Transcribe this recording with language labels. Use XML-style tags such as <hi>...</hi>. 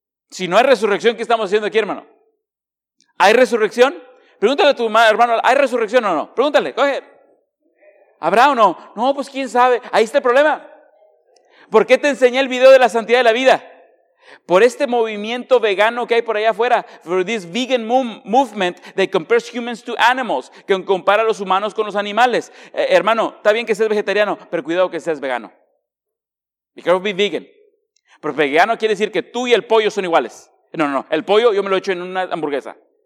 <es>Si no hay resurrección, ¿qué estamos haciendo aquí, hermano? ¿Hay resurrección? Pregúntale a tu hermano, ¿hay resurrección o no? Pregúntale, coge. ¿Habrá o no? No, pues quién sabe. Ahí está el problema. ¿Por qué te enseñé el video de la santidad de la vida? Por este movimiento vegano que hay por allá afuera.</es> <en>For this vegan movement that compares humans to animals.</en> <es>Que compara a los humanos con los animales. Hermano, está bien que seas vegetariano, pero cuidado que seas vegano.</es> <en>Be careful, be vegan.</en> <es>Pero vegano quiere decir que tú y el pollo son iguales. No. El pollo yo me lo echo en una hamburguesa.</es>